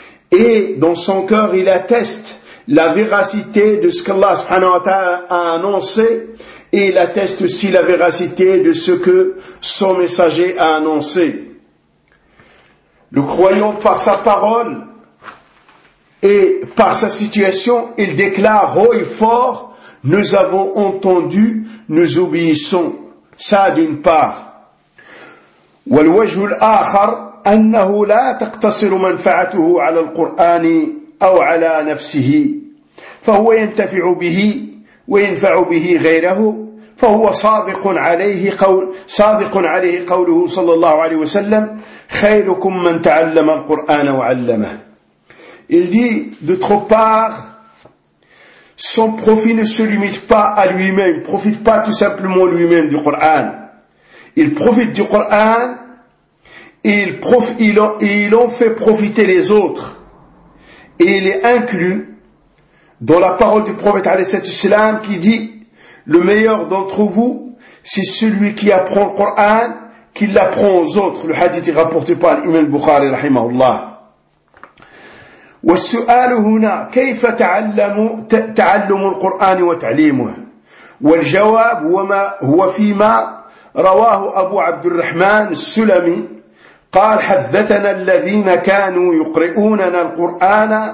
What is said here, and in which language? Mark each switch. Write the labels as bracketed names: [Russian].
[French] Et dans son cœur, il atteste la véracité de ce qu'Allah subhanahu wa ta'ala a annoncé, et il atteste aussi la véracité de ce que son messager a annoncé. Le croyant, par sa parole et par sa situation, il déclare haut et fort, nous avons entendu, nous obéissons. Ça d'une part. [Arabic] وَالْوَجْهُ الْآخَرُ أَنَّهُ لَا تَقْتَصِرُ مَنْفَعَتُهُ عَلَى الْقُرْآنِ أو على نفسه، فهو ينتفع به وينفع به غيره، فهو صادق عليه قول صادق عليه قوله صلى الله عليه وسلم خيركم من تعلم القرآن وعلمه. [French] Il dit d'autre part, son profit ne se limite pas à lui-même, profite pas tout simplement lui-même du Coran. Il profite du Coran et il en fait profiter les autres. Et il est inclus dans la parole du prophète qui dit « Le meilleur d'entre vous, c'est celui qui apprend le Coran, qui l'apprend aux autres. » Le hadith est rapporté par l'imam Bukhari, rahimahullah. [Arabic] « وَالسُّؤَالُ هُنَا كَيْفَ تَعَلَّمُوا الْقُرْآنِ وَتَعْلِيمُهُ وَالْجَوَابُ وَمَا هُوَ فِي مَا رَوَاهُ أَبُو عَبْدُ الرَّحْمَنِ السُّلَمِي قال حدثنا الذين كانوا يقرؤوننا القرآن